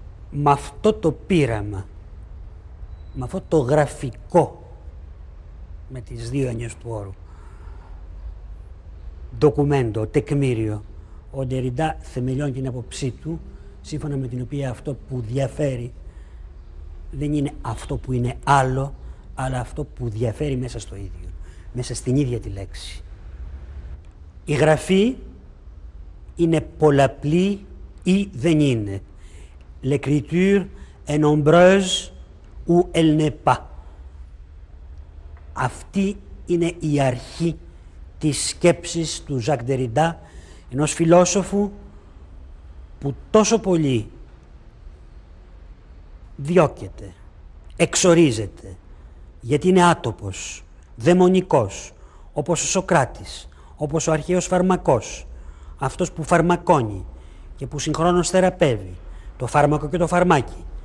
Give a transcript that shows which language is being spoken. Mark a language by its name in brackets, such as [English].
[Greek] Με αυτό το πείραμα, με αυτό το γραφικό, με τις δύο έννοιες του όρου, ντοκουμέντο, τεκμήριο, ο Ντεριντά θεμελιώνει την άποψή του, σύμφωνα με την οποία αυτό που διαφέρει δεν είναι αυτό που είναι άλλο, αλλά αυτό που διαφέρει μέσα στο ίδιο, μέσα στην ίδια τη λέξη. Η γραφή είναι πολλαπλή ή δεν είναι. [French] L'écriture est nombreuse ou elle n'est pas. [Greek] Αυτή είναι η αρχή της σκέψης του Ζακ Ντεριντά, ενός φιλόσοφου που τόσο πολύ διώκεται, εξορίζεται, γιατί είναι άτοπος, δαιμονικός, όπως ο Σοκράτης, όπως ο αρχαίος φαρμακός, αυτός που φαρμακώνει και που συγχρόνως θεραπεύει, το φάρμακο και το φαρμάκι.